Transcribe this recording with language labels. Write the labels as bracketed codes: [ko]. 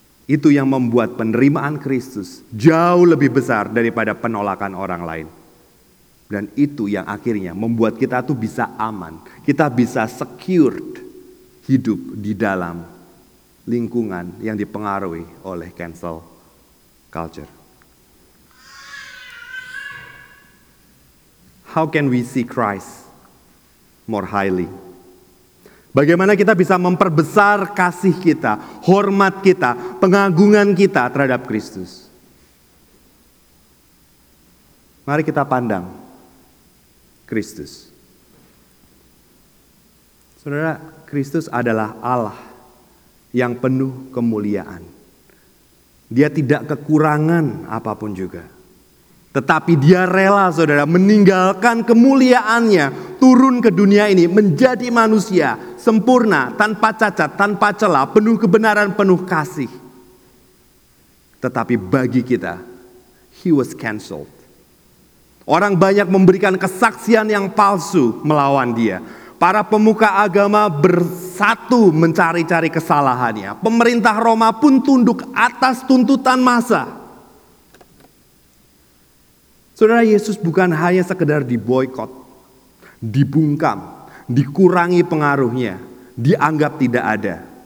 [id] Itu yang membuat penerimaan Kristus jauh lebih besar daripada penolakan orang lain. Dan itu yang akhirnya membuat kita tuh bisa aman. Kita bisa secured hidup di dalam lingkungan yang dipengaruhi oleh cancel culture. [en] How can we see Christ more highly? [id] Bagaimana kita bisa memperbesar kasih kita, hormat kita, pengagungan kita terhadap Kristus? Mari kita pandang Kristus. Saudara, Kristus adalah Allah yang penuh kemuliaan. Dia tidak kekurangan apapun juga. Tetapi dia rela, saudara, meninggalkan kemuliaannya, turun ke dunia ini, menjadi manusia, sempurna, tanpa cacat, tanpa celah, penuh kebenaran, penuh kasih. Tetapi bagi kita, he was cancelled. Orang banyak memberikan kesaksian yang palsu melawan dia. Para pemuka agama bersatu mencari-cari kesalahannya. Pemerintah Roma pun tunduk atas tuntutan massa. Saudara, Yesus bukan hanya sekedar diboikot, dibungkam, dikurangi pengaruhnya, dianggap tidak ada.